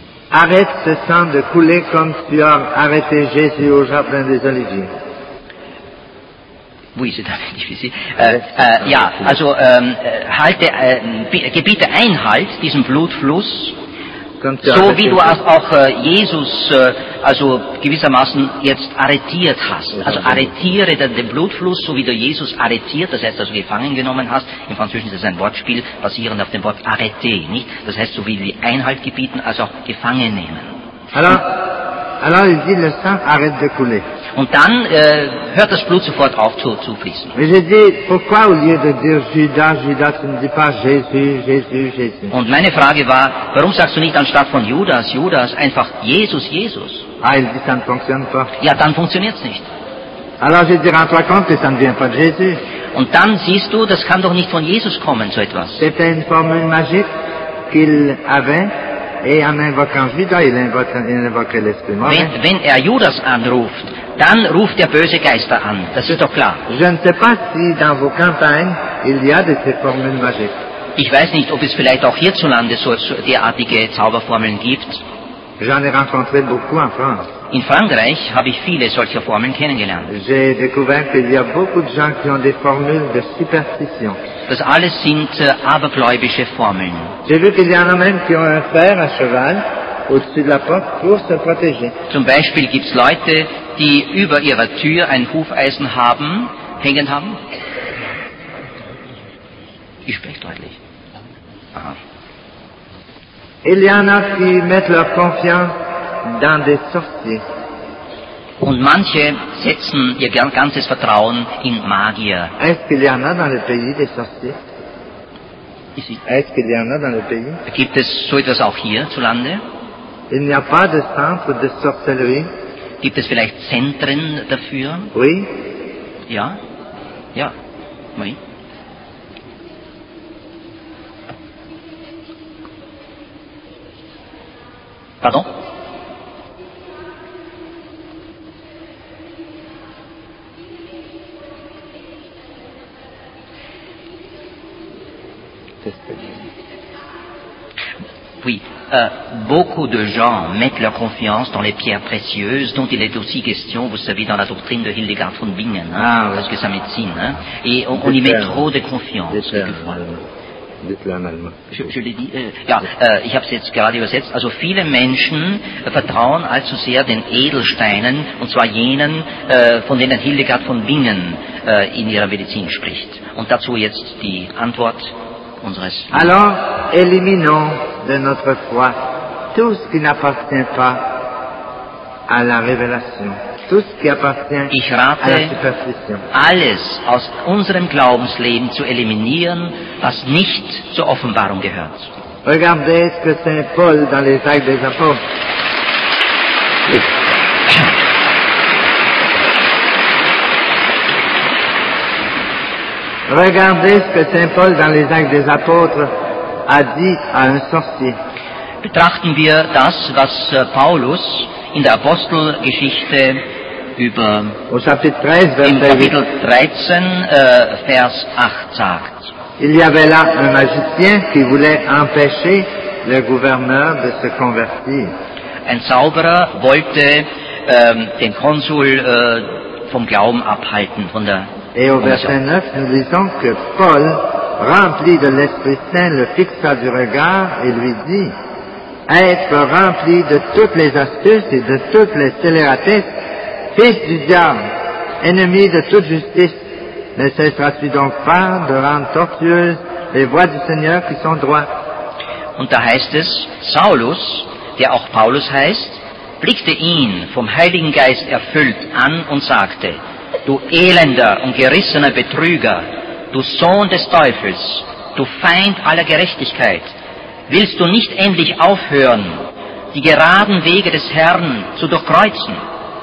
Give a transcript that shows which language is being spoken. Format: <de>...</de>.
<fr>Arrête ce sang de couler comme tu as arrêté Jésus au jardin des Oliviers. Oui, c'est un peu difficile.</fr> <de>Ja, also halte, gebiete Einhalt diesem Blutfluss, so wie du auch Jesus also gewissermaßen jetzt arretiert hast. Also arretiere dann den Blutfluss, so wie du Jesus arretiert, das heißt also gefangen genommen hast. Im Französischen ist das ein Wortspiel, basierend auf dem Wort arrêter, nicht? Das heißt, so wie die Einhalt gebieten, also auch gefangen nehmen.</de> <fr>Alors il dit, le sang arrête de couler.</fr> <de>Und dann hört das Blut sofort auf zu fließen.</de> <fr>Mais j'ai dit, pourquoi au lieu de dire Judas, Judas, tu ne dis pas Jésus, Jésus, Jésus?</fr> <de>Und meine Frage war, warum sagst du nicht anstatt von Judas, Judas, einfach Jesus, Jesus?</de> <fr>Ah, il dit, ça ne fonctionne pas.</fr> <de>Ja, dann funktioniert's nicht.</de> <fr>Alors j'ai dit, rends-toi compte que ça ne vient pas de Jésus.</fr> <de>Und dann siehst du, das kann doch nicht von Jesus kommen, so etwas.</de> <fr>C'était une formule magique qu'il avait. Et en invoquant Judas, il invoquait l'esprit mort.</fr> <de>Wenn er Judas anruft, dann ruft er böse Geister an. Das ist doch klar.</de> <fr>Je ne sais pas si dans vos campagnes, il y a de ces formules magiques.</fr> <de>Ich weiß nicht, ob es vielleicht auch hierzulande so derartige Zauberformeln gibt.</de> <fr>J'en ai rencontré beaucoup en France.</fr> <de>In Frankreich habe ich viele solcher Formeln kennengelernt.</de> <fr>J'ai découvert qu'il y a beaucoup de gens qui ont des formules de superstition.</fr> <de>Das alles sind abergläubische Formeln.</de> <fr>J'ai vu qu'il y en a même qui ont un fer à cheval au-dessus de la porte pour se protéger.</fr> <de>Zum Beispiel gibt's Leute, die über ihrer Tür ein Hufeisen haben, hängen haben. Ich spreche deutlich. Aha.</de> <fr>Il y en a qui mettent leur confiance dans des sorciers.</fr> <de>Und manche setzen ihr ganzes Vertrauen in Magier.</de> <fr>Est-ce qu'il y en a dans le pays des sorciers? Est-ce qu'il y en a dans le pays?</fr> <de>Gibt es so etwas auch hier zu Lande?</de> <fr>Il n'y a pas de centre de sorcellerie.</fr> <de>Gibt es vielleicht Zentren dafür?</de> <fr>Oui.</fr> <de>Ja. Ja. Oui.</de> <fr>Pardon? Oui, beaucoup de gens mettent leur confiance dans les pierres précieuses, dont il est aussi question, vous savez, dans la doctrine de Hildegard von Bingen, hein, parce que sa médecine, hein, et on y met trop de confiance.</fr> <de>Ich habe es jetzt gerade übersetzt. Also viele Menschen vertrauen allzu sehr den Edelsteinen, und zwar jenen, von denen Hildegard von Bingen in ihrer Medizin spricht. Und dazu jetzt die Antwort unseres.</de> <fr>Alors, éliminons de notre foi tout ce qui n'appartient pas à la révélation.</fr> <de>Ich rate, alles aus unserem Glaubensleben zu eliminieren, was nicht zur Offenbarung gehört.</de> <fr>Regardez ce que Saint Paul dans les Actes des Apôtres. Regardez ce que Saint Paul dans les Actes des Apôtres a dit à un sorcier.</fr> <de>Betrachten wir das, was Paulus in der Apostelgeschichte über</de> <fr>au chapitre 13,</fr> <de>im Kapitel 13, Vers 8 sagt.</de> <fr>Il y avait là un magicien qui voulait empêcher le gouverneur de se convertir.</fr> <de>Ein Zauberer wollte den Konsul vom Glauben abhalten, von der</de> <fr>Et au verset 9, nous disons que Paul, rempli de l'Esprit Saint, le fixa du regard et lui dit, être rempli de toutes les astuces et de toutes les scélératesses, fils du diable, ennemi de toute justice, ne cesseras-tu donc pas de rendre tortueuses les voies du Seigneur qui sont droites?</fr> <de>Und da heißt es, Saulus, der auch Paulus heißt, blickte ihn vom Heiligen Geist erfüllt an und sagte, du elender und gerissener Betrüger, du Sohn des Teufels, du Feind aller Gerechtigkeit, willst du nicht endlich aufhören, die geraden Wege des Herrn zu durchkreuzen?</de>